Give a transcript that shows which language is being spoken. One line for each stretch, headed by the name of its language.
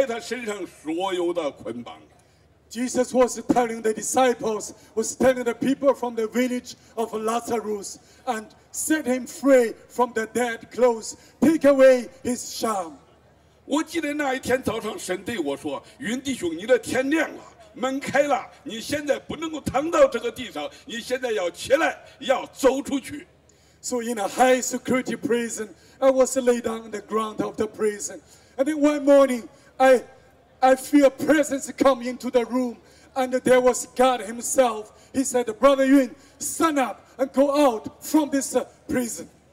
Chinese: 我一直在想，拉萨路从坟墓走出来的时候，身上还被绑得紧紧的，可是耶稣让门徒来嘱咐拉萨路，解开他身上所有的捆绑。
English: Jesus was telling the disciples, was telling the people from the village of Lazarus, and set him free from the dead clothes, take away his shame.
Chinese: 我记得那一天早上，神对我说：“云弟兄，你的天亮了，门开了，你现在不能够躺到这个地上，你现在要起来，要走出去。”
English: So in a high security prison, I was laid down on the ground of the prison, and then one morning, I feel presence come into the room, and there was God Himself. He said, "Brother Yun, stand up and go out from this prison."